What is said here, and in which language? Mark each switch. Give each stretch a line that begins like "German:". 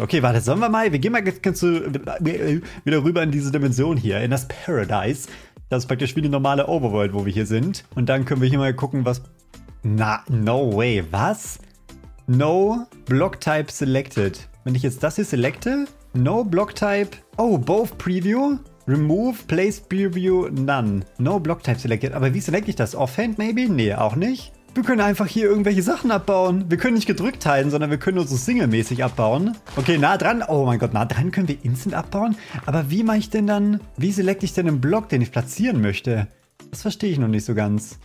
German: Okay, warte, sollen wir mal... Wir gehen mal ganz wieder rüber in diese Dimension hier. In das Paradise. Das ist praktisch wie eine normale Overworld, wo wir hier sind. Und dann können wir hier mal gucken, was... Na,
English: no way.
German: Was?
English: No Block Type Selected.
German: Wenn ich jetzt das hier selecte...
English: No Block Type... Oh, Both Preview... Remove, Place Preview, None. No Block Type Selected.
German: Aber wie selecte ich das?
English: Offhand maybe?
German: Nee, auch nicht. Wir können einfach hier irgendwelche Sachen abbauen. Wir können nicht gedrückt halten, sondern wir können nur so singlemäßig abbauen. Okay, nah dran. Oh mein Gott, nah dran können wir instant abbauen. Aber wie mache ich denn dann... Wie selecte ich denn einen Block, den ich platzieren möchte? Das verstehe ich noch nicht so ganz.